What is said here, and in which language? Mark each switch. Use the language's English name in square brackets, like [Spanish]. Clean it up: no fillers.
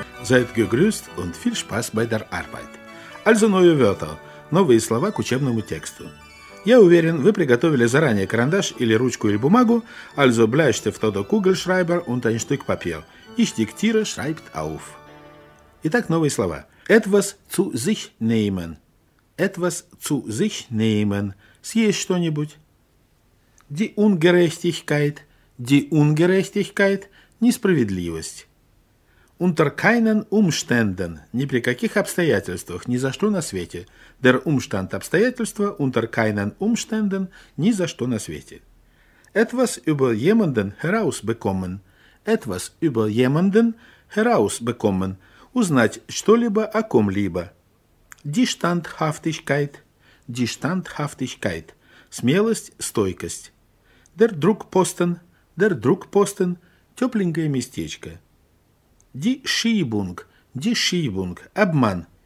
[German] Seid gegrüßt und viel Spaß bei der Arbeit. Also neue Wörter, [Russian] новые слова к учебному тексту. Я уверен, вы приготовили заранее карандаш или ручку или бумагу, [German] also bleibt auf der Kugelschreiber und ein Stück Papier. Ich diktiere, schreibt auf. [Russian] Итак, новые слова. [German] Etwas zu sich nehmen. Etwas zu sich nehmen. [Russian] Съесть что-нибудь. [German] Die Ungerechtigkeit. Die Ungerechtigkeit. [Russian] Несправедливость. [German] Unter keinen Umständen. [Russian] Ни при каких обстоятельствах. Ни за что на свете. [German] Der Umstand обстоятельства. Unter keinen Umständen. [Russian] Ни за что на свете. [German] Etwas über jemanden herausbekommen. Etwas über jemanden herausbekommen. [Russian] Узнать что-либо о ком-либо. [German] Die Standhaftigkeit. Die Standhaftigkeit. [Russian] Смелость, стойкость. [German] Der Druckposten. Der Druckposten. [Russian] Тепленькое местечко. [German] Die Schiebung. Die Schiebung. [Russian] Обман.